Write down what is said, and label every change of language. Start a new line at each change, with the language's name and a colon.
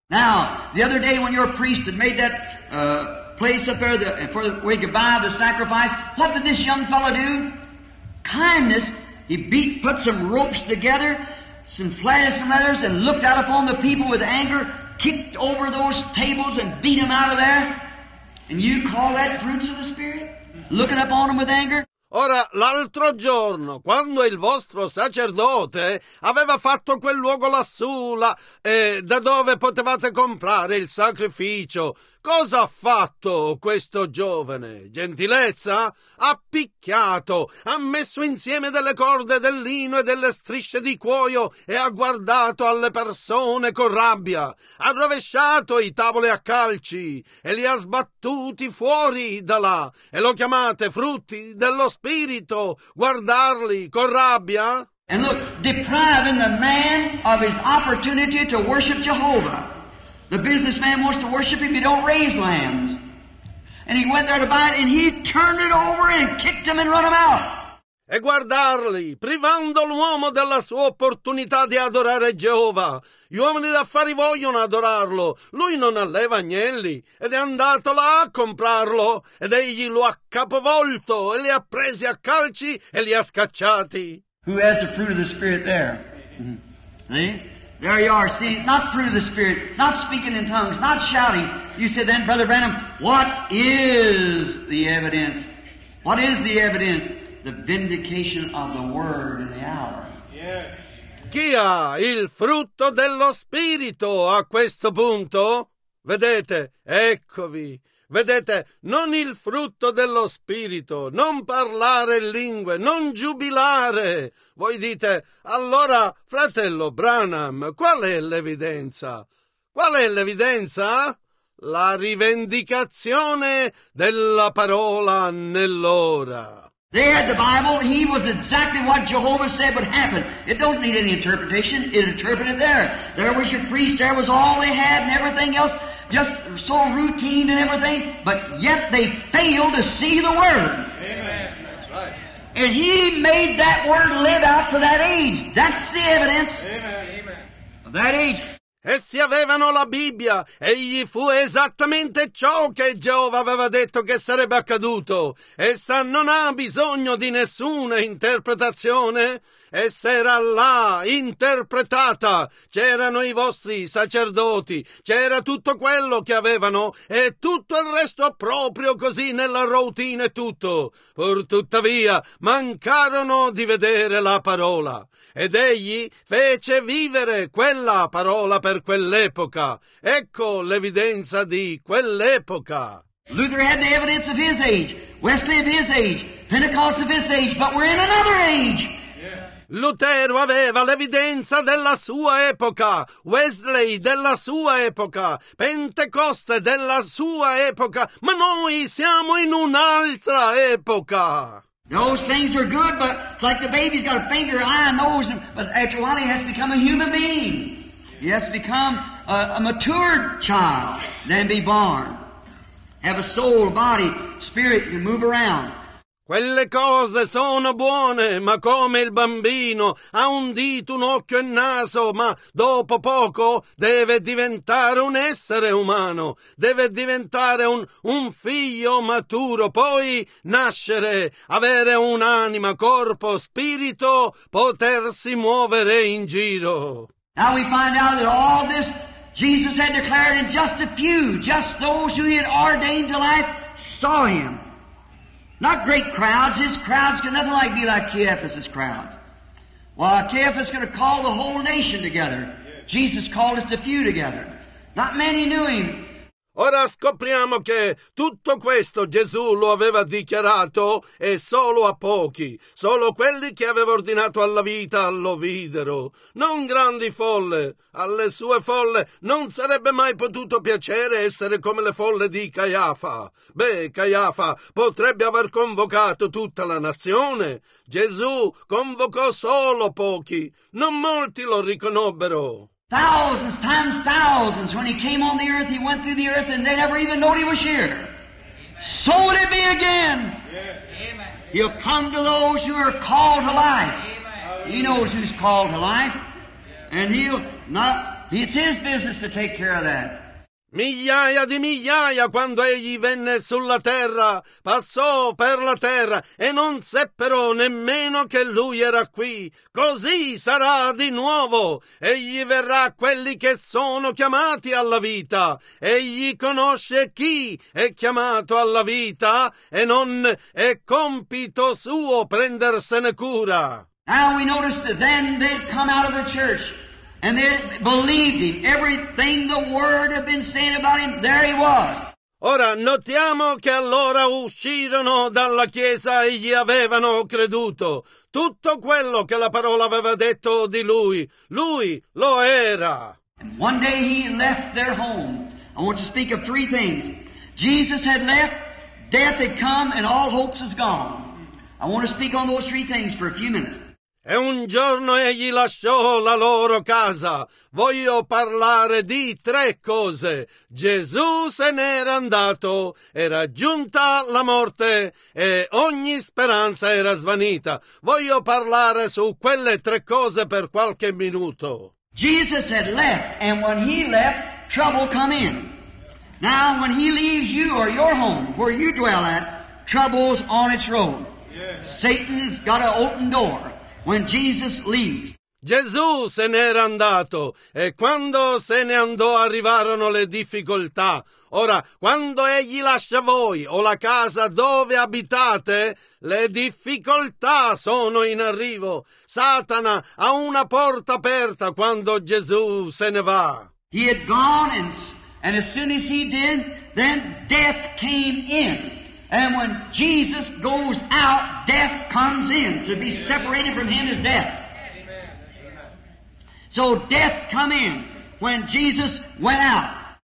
English: Now, the other day when your priest had made that place up there for where he could buy the sacrifice, what did this young fellow do? Kindness. He put some ropes together, some flattest letters, and looked out upon the people with anger, kicked over those tables and beat them out of there. And you call that fruits of the Spirit? Looking upon them with anger?
Italian: Ora, l'altro giorno, quando il vostro sacerdote aveva fatto quel luogo lassù, da dove potevate comprare il sacrificio, cosa ha fatto questo giovane? Gentilezza? Ha picchiato, ha messo insieme delle corde, del lino e delle strisce di cuoio e ha guardato alle persone con rabbia. Ha rovesciato i tavoli a calci e li ha sbattuti fuori da là. E lo chiamate frutti dello spirito, guardarli con rabbia?
English: And look, depriving the man of his opportunity to worship Jehovah. The businessman wants to worship him, he don't raise lambs. And he went there to buy it and he turned it over and kicked him and run him out.
Italian: E guardarli, privando l'uomo della sua opportunità di adorare Geova. Gli uomini d'affari vogliono adorarlo. Lui non alleva agnelli ed è andato là a comprarlo ed egli lo ha capovolto e li ha presi a calci e li ha scacciati.
English: Who has the fruit of the Spirit there? Mm-hmm. See? There you are, see, not fruit of the Spirit, not speaking in tongues, not shouting. You said then, Brother Branham, what is the evidence? What is the evidence? The vindication of the Word in the hour. Yes.
Italian: Chi ha il frutto dello Spirito a questo punto? Vedete, eccovi. Vedete, non il frutto dello Spirito, non parlare lingue, non giubilare. Voi dite, allora, fratello Branham, qual è l'evidenza? Qual è l'evidenza? La rivendicazione della parola nell'ora.
English: They had the Bible, he was exactly what Jehovah said would happen. It don't need any interpretation, it interpreted there. There was your priest, there was all they had and everything else, just so routine and everything, but yet they failed to see the Word. Amen. That's right. And he made that Word live out for that age. That's the evidence. Amen. Of that age.
Italian: Essi avevano la Bibbia, egli fu esattamente ciò che Geova aveva detto che sarebbe accaduto. Essa non ha bisogno di nessuna interpretazione. e s'era là interpretata. C'erano i vostri sacerdoti, c'era tutto quello che avevano e tutto il resto proprio così nella routine e tutto. Purtuttavia mancarono di vedere la parola. Ed egli fece vivere quella parola per quell'epoca. Ecco l'evidenza di quell'epoca.
English: Luther had the evidence of his age, Wesley of his age, Pentecost of his age, but we're in another age.
Italian: Lutero aveva l'evidenza della sua epoca, Wesley della sua epoca, Pentecoste della sua epoca, ma noi siamo in un'altra epoca.
English: Those things are good, but it's like the baby's got a finger, eye, nose, but after a while he has become a human being. He has to become a mature child, then be born. Have a soul, body, spirit to move around.
Italian: Quelle cose sono buone, ma come il bambino ha un dito, un occhio e un naso, ma dopo poco deve diventare un essere umano, deve diventare un figlio maturo, poi nascere, avere un'anima, corpo, spirito, potersi muovere in giro.
English: Now we find out that all this Jesus had declared in just a few, just those who he had ordained to life, saw him. Not great crowds. His crowds can nothing like be like Caiaphas' crowds. Well, Caiaphas is going to call the whole nation together. Jesus called us to few together. Not many knew him.
Italian: Ora scopriamo che tutto questo Gesù lo aveva dichiarato e solo a pochi, solo quelli che aveva ordinato alla vita lo videro. Non grandi folle, alle sue folle non sarebbe mai potuto piacere essere come le folle di Caiafa. Beh, Caiafa potrebbe aver convocato tutta la nazione. Gesù convocò solo pochi, non molti lo riconobbero.
English: Thousands times thousands. When he came on the earth, he went through the earth and they never even knew he was here. Amen. So will it be again. Yes. He'll come to those who are called to life. Amen. He knows who's called to life. And he'll not, it's his business to take care of that.
Italian: Migliaia di migliaia quando egli venne sulla terra, passò per la terra e non seppero nemmeno che lui era qui. Così sarà di nuovo. Egli verrà a quelli che sono chiamati alla vita. Egli conosce chi è chiamato alla vita e non è compito suo prendersene cura.
English: Now we noticed that then they'd come out of the church. And they believed him. Everything the word had been saying about him, there he was.
Italian: Ora notiamo che allora uscirono dalla chiesa e gli avevano creduto. Tutto quello che la parola aveva detto di lui, lui lo era.
English: And one day he left their home. I want to speak of three things. Jesus had left, death had come, and all hopes is gone. I want to speak on those three things for a few minutes.
Italian: E un giorno egli lasciò la loro casa. Voglio parlare di tre cose. Gesù se n'era andato, era giunta la morte e ogni speranza era svanita. Voglio parlare su quelle tre cose per qualche minuto.
English: Jesus had left, and when he left, trouble come in. Now when he leaves you or your home, where you dwell at, trouble's on its road. Satan's got an open door. When Jesus leaves.
Italian: Gesù se n'era andato e quando se ne andò arrivarono le difficoltà. Ora, quando egli lascia voi o la casa dove abitate, le difficoltà sono in arrivo. Satana ha una porta aperta quando Gesù se ne va.
English: He had gone and as soon as he did, then death came in. And when Jesus goes out, death comes in. To be separated from him is death. So death come in when Jesus went out.